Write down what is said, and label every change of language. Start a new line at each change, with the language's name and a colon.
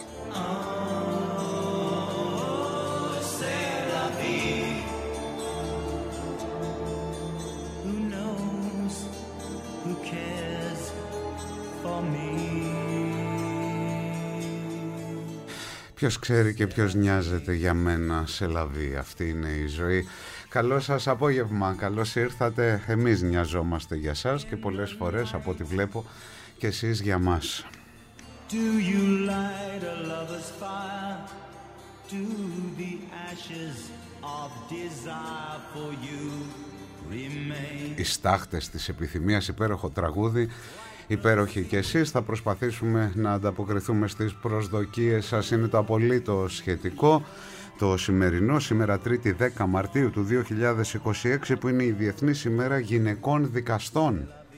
French: Oh, c'est la vie.
English: Who knows, who cares for me?
Greek: Ποιος ξέρει και ποιος νοιάζεται για μένα, σε λαβή, αυτή είναι η ζωή. Καλό σας απόγευμα, καλώς ήρθατε. Εμείς νοιαζόμαστε για σας και πολλές φορές, από ό,τι βλέπω, και εσείς για μας.
English: Do you light a lover's fire? Do the ashes of desire for you remain?
Greek: Οι στάχτες της επιθυμίας, υπέροχο τραγούδι. Υπέροχοι και εσείς, θα προσπαθήσουμε να ανταποκριθούμε στις προσδοκίες σας. Είναι το απολύτως σχετικό το σημερινό, σήμερα Τρίτη 10 Μαρτίου του 2026, που είναι η Διεθνής ημέρα γυναικών δικαστών.